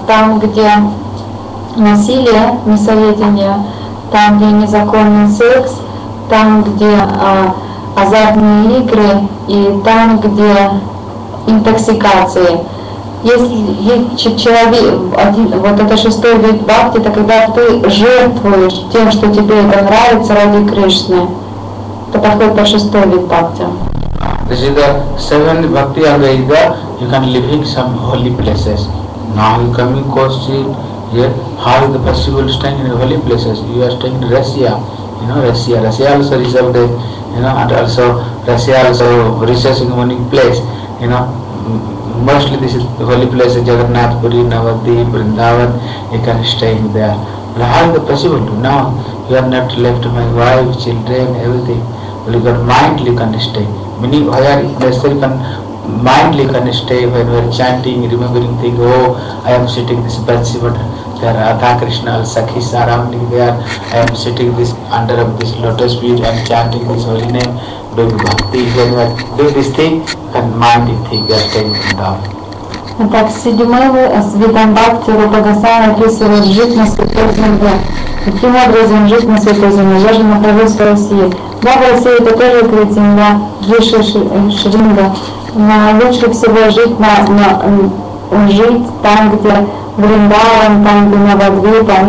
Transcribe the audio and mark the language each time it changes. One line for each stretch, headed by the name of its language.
Russian: Там, где насилие, мясоедение, там, где незаконный секс, там, где азартные игры и там, где интоксикации. Это шестой вид бхакти, это когда ты жертвуешь тем, что тебе это нравится ради Кришны. Это подходит по шестой вид бхакти.
English: This is the seventh bhakti anga, you can live in some holy places. Now you come in question, how is the possible staying in holy places? You are staying in Russia, you know, Russia. Russia also reserved a, you know, and also Russia also researching one place, you know. Mostly this is the holy place of Jagannath Puri, Navadvip, Vrindavan, you can stay in there. But how is it possible to know? You have not left my wife, children, everything. Well, you got mindly can stay. Meaning, why are you necessary can mindly can stay when we are chanting, remembering things, oh, I am sitting this Bhatsi, but there are Radha Krishna, all Sakhis surrounding there. I am sitting this under of this lotus feet and chanting this holy name, doing bhakti. When we are doing this thing, can mindly think, we are staying in the dark.
Russian: Итак, седьмой вы с видом бхакти Рупа Госвами описывает жить на святой земле. Каким образом жить на святой земле? Я же нахожусь в России. Да, в России это тоже третья земля, Виша Шринга. Но лучше всего жить, жить там, где Вриндаван, там, где Навадвипа.